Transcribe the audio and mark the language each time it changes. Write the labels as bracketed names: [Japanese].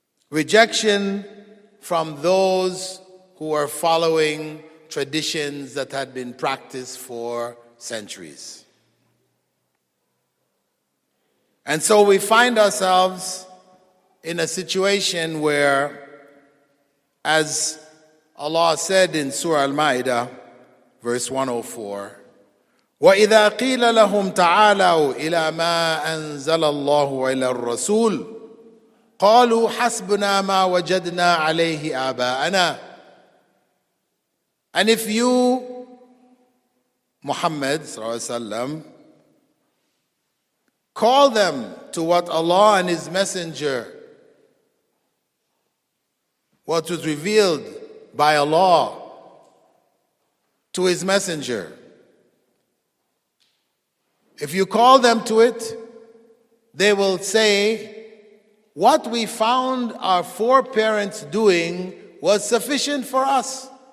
[English] Rejection from those who are following traditions that had been practiced for centuries. And so we find ourselves in a situation where, as Allah said in Surah Al-Ma'idah, verse 104, [Arabic] وَإِذَا قِيلَ لَهُمْ تَعَالَوْا إِلَى مَا أَنزَلَ اللَّهُ وَإِلَى الرَّسُولِ قَالُوا حَسْبُنَا مَا وَجَدْنَا عَلَيْهِ آبَاءَنَا. [English] And if you, Muhammad sallallahu alayhi wa sallam, call them to what Allah and His Messenger, what was revealed by Allah to His Messenger, if you call them to it, they will say, what we found our foreparents doing was sufficient for us.